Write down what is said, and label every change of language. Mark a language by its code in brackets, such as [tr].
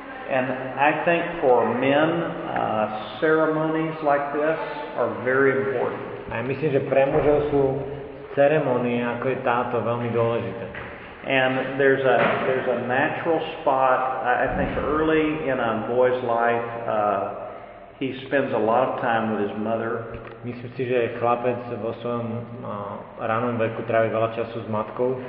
[en] And I think for men, ceremonies like this are very important. [sk] A ja myslím, že pre mužov sú ceremonie ako je táto veľmi dôležité. [en] And there's a natural spot, I think early in a boy's life, he spends a lot of time with his mother. [sk] Myslím si, že chlapec vo svojom ranom veku trávi veľa času s matkou.